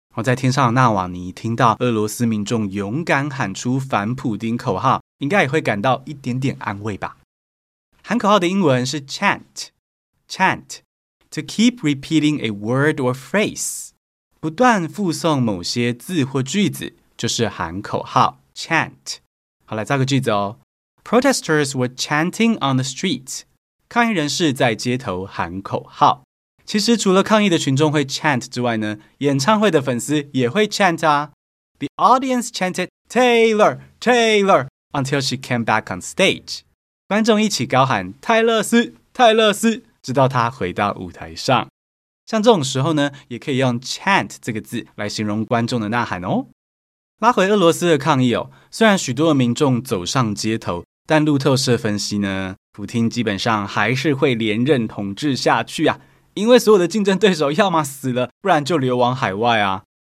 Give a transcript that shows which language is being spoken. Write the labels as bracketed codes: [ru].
[zh] 在天上的纳瓦尼听到俄罗斯民众勇敢喊出反普丁口号，应该也会感到一点点安慰吧。喊口号的英文是 chant， to keep repeating a word or phrase，不断复诵某些字或句子，就是喊口号 chant。好，来造个句子哦。 Protesters were chanting on the street，抗议人士在街头喊口号。其实除了抗议的群众会 chant 之外呢，演唱会的粉丝也会 chant 啊。 [en] The audience chanted Taylor, Taylor until she came back on stage. [zh] 观众一起高喊泰勒斯，泰勒斯，直到他回到舞台上。像这种时候呢，也可以用 chant 这个字来形容观众的呐喊哦。拉回俄罗斯的抗议哦，虽然许多的民众走上街头，但路透社分析呢，普丁基本上还是会连任统治下去啊，因为所有的竞争对手要么死了，不然就流亡海外啊。